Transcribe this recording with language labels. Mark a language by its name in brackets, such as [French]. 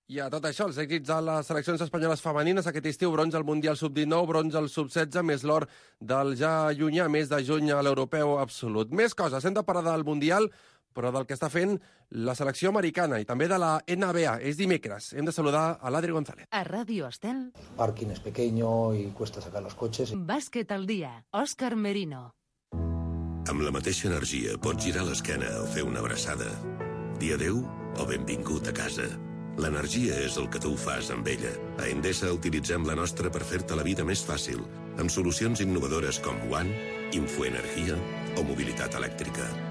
[Catalan] I a tot això, els èxits de les seleccions espanyoles femenines aquest estiu, bronze al Mundial Sub-19, bronze al Sub-16, més l'or del ja llunyà mes de juny a l'Europeu Absolut. Més coses, hem de parlar del Mundial, però del que està fent la selecció americana i també de la NBA. És dimecres. Hem de saludar a l'Adri González. A Radio Estel. [Spanish] Parking es pequeño y cuesta sacar los coches. [Catalan] Bàsquet al Dia, Òscar Merino. Amb la mateixa energia pots girar l'esquena o fer una abraçada. Dia adéu o benvingut a casa. L'energia és el que tu fas amb ella. A Endesa utilitzem la nostra per fer-te la vida més fàcil, amb solucions innovadores com One, Infoenergia o Mobilitat Elèctrica.